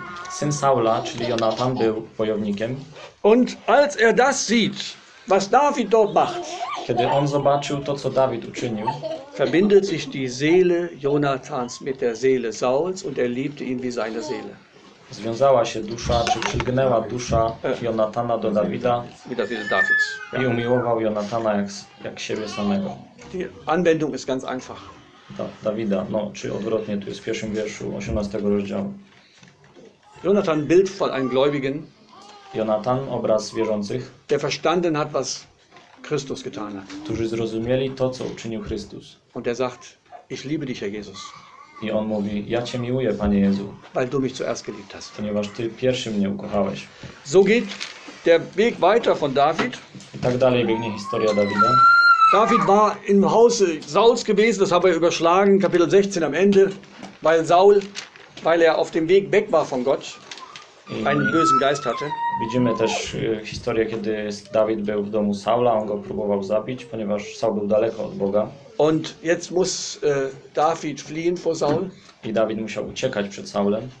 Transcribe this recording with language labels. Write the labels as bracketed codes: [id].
[pl] Syn Saula, czyli Jonathan, był wojownikiem. [de] Und als er das sieht, was David dort macht, [pl] kiedy on zobaczył to, co David uczynił, [de] verbindet sich die Seele Jonathans mit der Seele Sauls und er liebte ihn wie seine Seele. [pl] Związała się dusza, czy przylgnęła dusza Jonatana do Dawida i umiłował Jonatana jak siebie samego. [de] Anwendung ist ganz einfach. [pl] Dawida, no, czy odwrotnie, tu jest w pierwszym wierszu 18 rozdziału. [de] Jonathan, Bild von einem Gläubigen. [pl] Jonathan, obraz wierzących. [de] Der verstanden hat, was Christus getan hat. [pl] Którzy zrozumieli to, co uczynił Chrystus. [de] Und er sagt, ich liebe dich, Herr Jesus. [pl] I on mówi, ja Cię miłuję, Panie Jezu. [de] Weil du mich zuerst geliebt hast. [pl] Ponieważ Ty pierwszy mnie ukochałeś. [de] So geht der Weg weiter von David. [pl] I tak dalej biegnie historia Dawida. [de] David war im Hause Sauls gewesen, das haben wir überschlagen, Kapitel 16 am Ende, weil Saul, weil er auf dem Weg weg war von Gott, einen bösen Geist hatte. [pl] Widzimy też historię, kiedy David był w domu Saula, on go próbował zabić, ponieważ Saul był daleko od Boga. [de] Und jetzt muss David fliehen vor Saul. [pl] I David musiał uciekać przed Saulem.